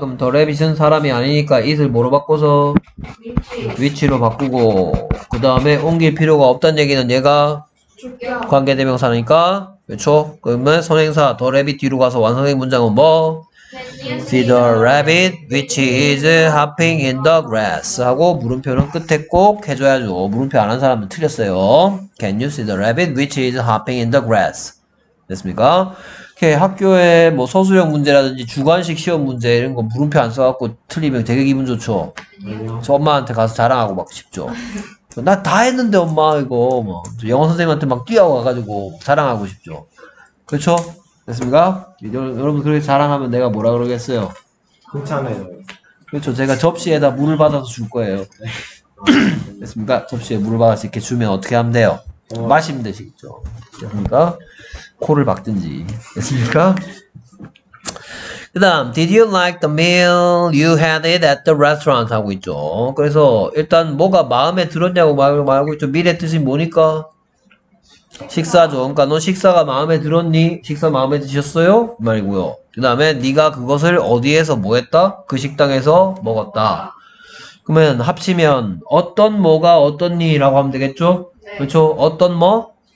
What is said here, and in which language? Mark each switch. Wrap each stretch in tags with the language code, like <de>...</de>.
<ko>그럼 더 래빗은 사람이 아니니까 잇을 뭐로 바꿔서? 위치로 바꾸고, 그 다음에 옮길 필요가 없다는 얘기는 얘가 관계대명사니까, 그렇죠? 그러면 선행사 더 래빗 뒤로 가서 완성된 문장은 뭐?</ko> <en>See the rabbit which is hopping in the grass</en> <ko>하고 물음표는 끝에 꼭 해줘야죠. 물음표 안 한 사람은 틀렸어요.</ko> <en>Can you see the rabbit which is hopping in the grass?</en> <ko>됐습니까? 이렇게 학교에 뭐 서술형 문제라든지 주관식 시험 문제 이런 거 물음표 안 써갖고 틀리면 되게 기분 좋죠. 그래서 엄마한테 가서 자랑하고 막 싶죠. 나 다 했는데 엄마 이거 뭐 영어 선생님한테 막 뛰어와가지고 자랑하고 싶죠. 그렇죠? 됐습니까? 여러분 그렇게 자랑하면 내가 뭐라 그러겠어요? 괜찮아요. 그렇죠. 제가 접시에다 물을 받아서 줄 거예요. 됐습니까? 접시에 물을 받아서 이렇게 주면 어떻게 하면 돼요? 마시면 되시겠죠. 됐습니까? 코를 박든지. 됐습니까? 그 다음</ko> <en>Did you like the meal? You had it at the restaurant</en> <ko>하고 있죠. 그래서 일단 뭐가 마음에 들었냐고 말하고 있죠. 미래 뜻이 뭐니까? 식사죠. 그러니까 너 식사가 마음에 들었니? 식사 마음에 드셨어요? 말이고요. 그 다음에 네가 그것을 어디에서 뭐 했다? 그 식당에서 먹었다. 그러면 합치면 어떤 뭐가 어떤니? 라고 하면 되겠죠? 그렇죠? 어떤 뭐?</ko>